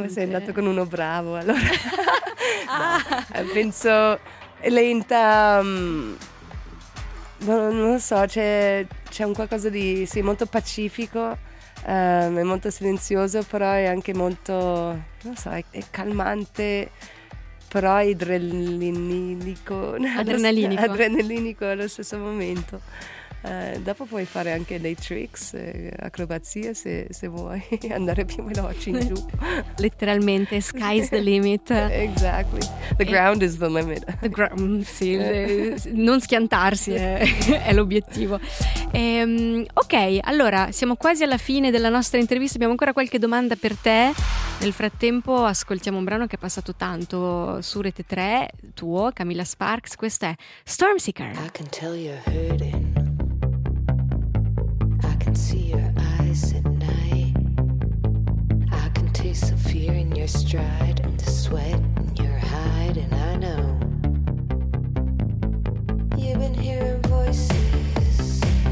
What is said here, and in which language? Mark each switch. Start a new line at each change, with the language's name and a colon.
Italian: Ma sei andato con uno bravo, allora. Penso lenta, non lo so, c'è un qualcosa di sì, molto pacifico, è molto silenzioso, però è anche molto, non lo so, è calmante, però è adrenalinico. Adrenalinico. Adrenalinico allo stesso momento. Dopo puoi fare anche dei tricks, acrobazie se vuoi, andare più veloci in giù. Letteralmente,
English: sky's the limit. Exactly, the ground is the limit. The ground,
Italian: sì, non schiantarsi è l'obiettivo. Ok, allora, siamo quasi alla fine della nostra intervista, abbiamo ancora qualche domanda per te. Nel frattempo ascoltiamo un brano che è passato tanto su Rete 3, tuo, Camilla Sparks, questo è Stormseeker.
English: I can tell you're hurting. See your eyes at night. I can taste the fear in your stride and the sweat in your hide, and I know you've been hearing voices.